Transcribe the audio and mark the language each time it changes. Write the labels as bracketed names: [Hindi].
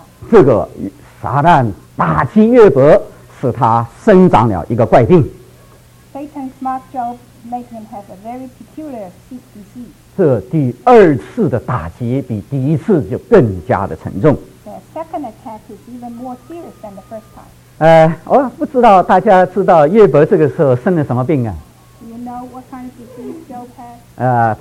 [Chinese] 这个撒旦打击约伯使他生长了一个怪病。 [English] Satan smacked Job, made him have a very peculiar disease. [Chinese] 这第二次的打击比第一次就更加的沉重。 [English] The second attack is even more serious than the first time. [Chinese] 我不知道大家知道约伯这个时候生了什么病啊？ [English] Do you know what kind of disease Job has?